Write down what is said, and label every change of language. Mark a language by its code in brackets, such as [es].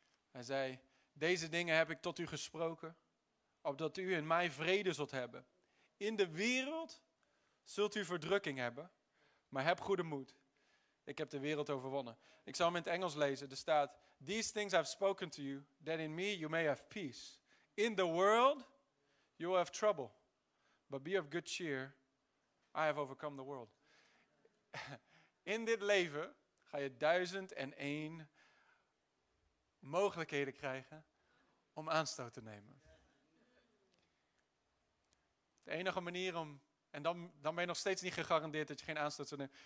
[nl] Hij zei, deze dingen heb ik tot u gesproken, opdat u in mij vrede zult hebben. In de wereld zult u verdrukking hebben, maar heb goede moed. Ik heb de wereld overwonnen. Ik zal hem in het Engels lezen. Er staat, [en] these things I have spoken to you, that in me you may have peace. In the world you will have trouble. But be of good cheer, I have overcome the world. [nl] In dit leven ga je 1001 mogelijkheden krijgen om aanstoot te nemen. De enige manier om, en dan ben je nog steeds niet gegarandeerd dat je geen aanstoot zou nemen.